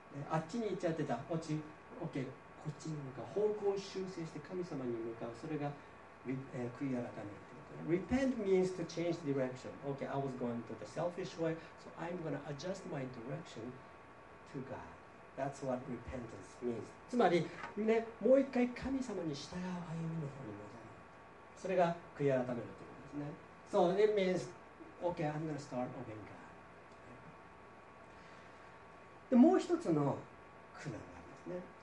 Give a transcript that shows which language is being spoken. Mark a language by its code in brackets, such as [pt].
[ja] あっちに行っちゃってた、こっち、OK、こっちに向かう。方向を修正して神様に向かう。それが悔い改めるっていうこと。 [en] Repent means to change direction. OK, I was going to the selfish way, so I'm going to adjust my direction to God. That's what repentance means. [ja] つまり、ね、もう一回神様に従う歩みの方に戻る。それが悔い改めるということですね。 [en] So it means, okay, I'm going to start obeying God. [ja] でもう一つの苦難がありますね。